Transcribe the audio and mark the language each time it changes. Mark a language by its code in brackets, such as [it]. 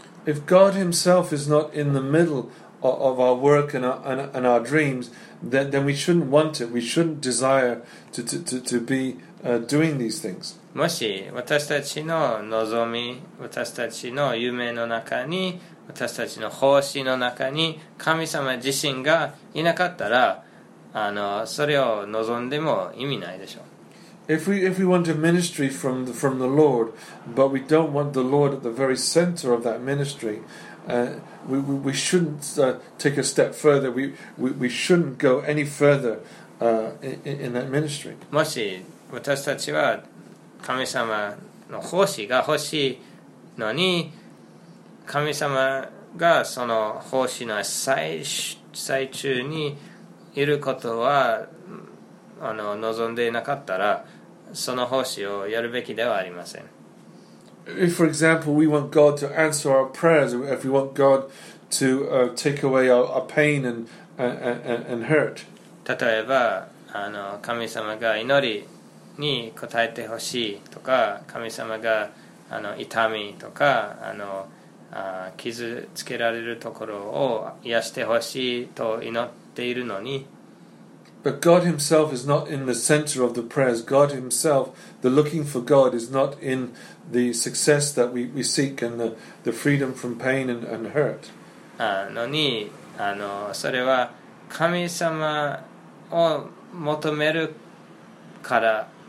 [en] If God Himself is not in the middle of our work and our dreams, then we shouldn't want it. We shouldn't desire to be doing these things. [ja] もし私たちの望み、私たちの夢の中に、私たちの奉仕の中に神様自身がいなかったら、それを望んでも意味ないでしょう。 [en] If we want a ministry from the Lord, but we don't want the Lord at the very center of that ministry, we shouldn't take a step further. We shouldn't go any further in that ministry. [ja] もし私たちは神様の奉仕が欲しいのに、神様がその奉仕の最中にいることは望んでいなかったら、その奉仕をやるべきではありません。 [en] If, for example, we want God to answer our prayers, if we want God to take away our pain and hurt. [ja] 例えば、神様が祈りに答えてほしいとか、神様が痛みとか傷つけられるところを癒してほしいと祈っているのに、 [en] But God Himself is not in the center of the prayers. God Himself, the looking for God, is not in the success that we seek and the freedom from pain and hurt. [ja] のに、それは神様を求めるから。